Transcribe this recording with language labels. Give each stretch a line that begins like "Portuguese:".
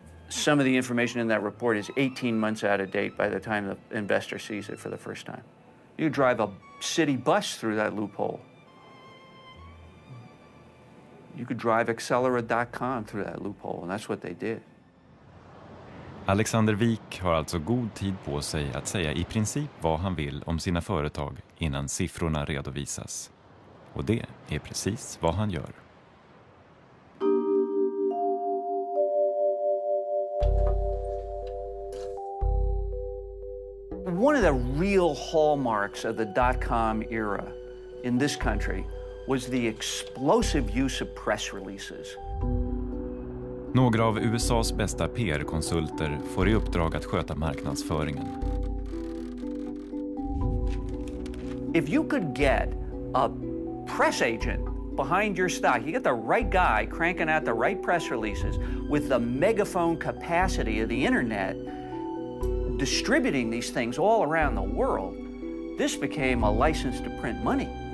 English: some of the information in that report is 18 months out of date by the time the investor sees it for the first time. You drive a city bus through that loophole. You could drive Accelera.com through that loophole, and that's what they did.
Swedish: Alexander Wik har alltså god tid på sig att säga i princip vad han vill om sina företag innan siffrorna redovisas. Och det är precis vad han gör.
English: One of the real hallmarks of the dot-com era in this country was the explosive use of press releases.
Swedish: Några av USA:s bästa PR-konsulter får i uppdrag att sköta marknadsföringen.
English: If you could get a press agent behind your stock, you get the right guy cranking out the right press releases with the megaphone capacity of the internet, distributing these things all around the world, this became a license to print money.